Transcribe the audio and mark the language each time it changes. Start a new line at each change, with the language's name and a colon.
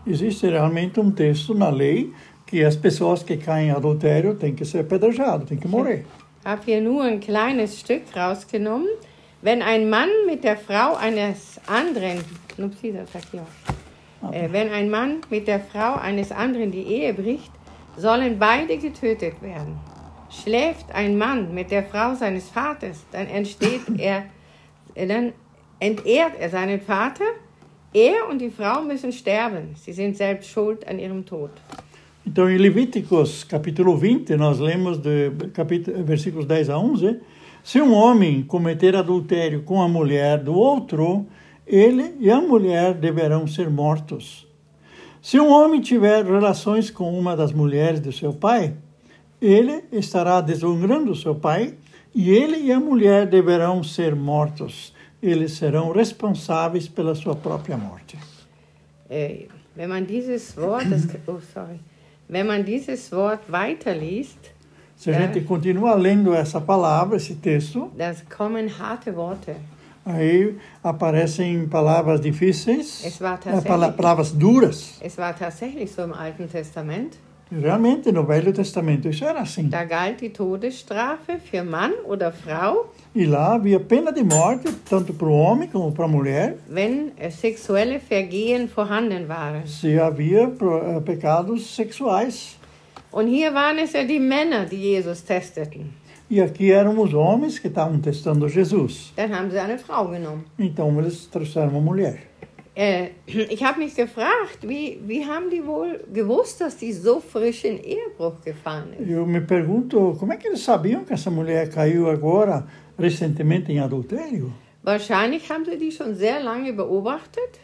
Portuguese: Existe realmente texto na lei que as pessoas que caem em adultério têm que ser apedrejado, têm que morrer.
German: Ich habe hier nur ein kleines Stück rausgenommen. Wenn ein Mann mit der Frau eines anderen, wenn ein Mann mit der Frau eines anderen die Ehe bricht, sollen beide getötet werden. Schläft ein Mann mit der Frau seines Vaters, dann entehrt er seinen Vater. Er und die Frau müssen sterben. Sie sind selbst schuld an ihrem Tod.
Portuguese: Então, em Levíticos, capítulo 20, nós lemos de versículos 10 a 11, se homem cometer adultério com a mulher do outro, ele e a mulher deverão ser mortos. Se homem tiver relações com uma das mulheres do seu pai, ele estará desonrando seu pai e ele e a mulher deverão ser mortos. Eles serão responsáveis pela sua própria morte.
German: Wenn man dieses Wort, wenn man dieses Wort weiterliest,
Portuguese: se a gente continua lendo essa palavra, esse texto,
German: das kommen harte Worte.
Portuguese: Aí aparecem palavras difíceis,
German: es war tatsächlich,
Portuguese: palavras duras.
German: Es war tatsächlich so im Alten Testament.
Portuguese: Realmente, no Velho Testamento, isso era assim.
German: Da galt die Todesstrafe für Mann oder Frau.
Portuguese: E lá havia pena de morte, tanto para o homem como para a mulher.
German: Wenn sexuelle Vergehen vorhanden waren.
Portuguese: Se havia pecados sexuais.
German: Und hier waren es ja die Männer, die Jesus testeten.
Portuguese: E aqui eram os homens que estavam testando Jesus.
German: Dann haben sie eine Frau genommen.
Portuguese: Então eles trouxeram uma mulher.
German: Ich habe mich gefragt, wie haben die wohl gewusst, dass die so frisch in Ehebruch gefallen ist?
Portuguese: Eu me pergunto, como é que eles sabiam que essa mulher caiu agora recentemente em adultério?
German: Wahrscheinlich haben sie die schon sehr lange beobachtet.